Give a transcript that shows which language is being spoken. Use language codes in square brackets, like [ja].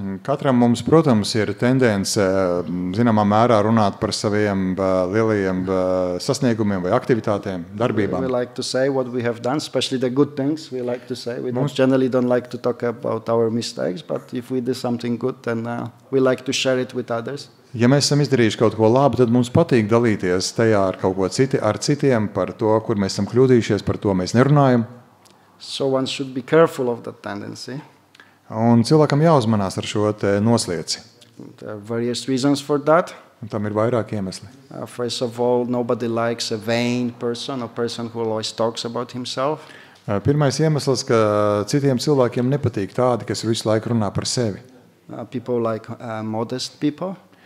[lv] Katram mums, protams, ir tendence, zināmā mērā, runāt par saviem lielajiem sasniegumiem vai aktivitātēm, darbībām. [en] We like to say what we have done, especially the good things we like to say. We [lv] mums... [en] generally don't like to talk about our mistakes, but if we did something good, then we like to share it with others. [lv] Ja mēs esam izdarījuši kaut ko labu, tad mums patīk dalīties tajā ar kaut ko citi, ar citiem par to, kur mēs esam kļūdījušies, par to mēs nerunājam. [en] So one should be careful of that tendency. [lv] Un cilvēkam jāuzmanās ar šo te noslieci. [en] There are various reasons for that. [lv] Un tam ir vairāki iemesli. [en] First of all, nobody likes a vain person, a person who always talks about himself. [lv] Pirmais iemesls, ka citiem cilvēkiem nepatīk tādi, kas visu laiku runā par sevi. [en] People like modest people.